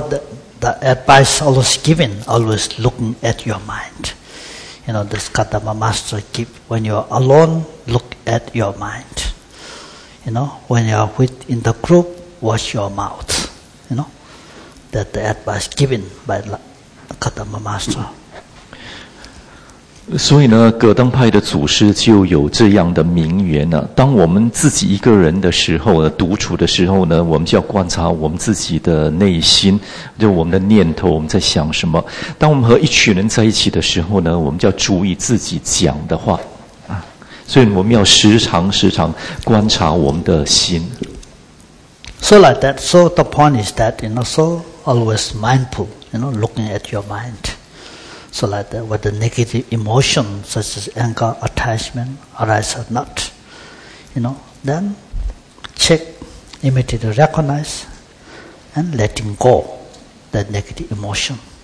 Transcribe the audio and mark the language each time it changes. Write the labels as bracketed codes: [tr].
[en] the advice always given, always looking at your mind. You know, this Kadama Master keep, when you are alone, look at your mind. You know, when you are with in the group, watch your mouth. You know, that the advice given by Kadama Master. [zh] 所以呢，葛登派的祖师就有这样的名言呢、啊。当我们自己一个人的时候呢，独处的时候呢，我们就要观察我们自己的内心，就我们的念头，我们在想什么。当我们和一群人在一起的时候呢，我们就要注意自己讲的话啊。所以我们要时常时常观察我们的心。 [en] So like that. So the point is that you know, so always mindful, you know, looking at your mind. So like that, whether negative emotions such as anger, attachment arise or not, you know, then check, immediately recognize, and letting go that negative emotion.